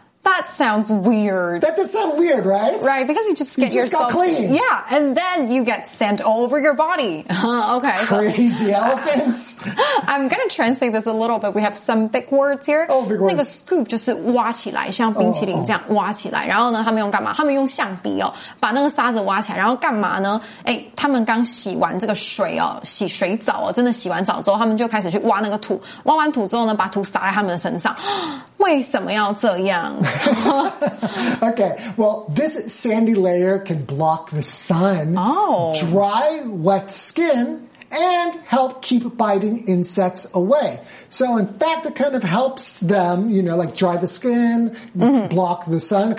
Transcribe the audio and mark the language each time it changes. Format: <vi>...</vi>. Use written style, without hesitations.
<en>That sounds weird. That does sound weird, right? Right, because you just get yourself... You just got clean. Yeah, and then you get sand all over your body. Okay. Crazy elephants. I'm going to translate this a little bit. We have some big words here. Oh, big words.</en> <zh>那个 scoop 就是挖起来，像冰淇淋这样挖起来。然后呢，他们用干嘛？他们用橡皮哦，把那个沙子挖起来。然后干嘛呢？哎，他们刚洗完这个水哦，洗水澡哦，真的洗完澡之后，他们就开始去挖那个土。挖完土之后呢，把土撒在他们的身上。为什么要这样？</zh> <en>Okay, well, this sandy layer can block the sun, dry wet skin, and help keep biting insects away. So, in fact, it kind of helps them, you know, like dry the skin, block the sun.</en>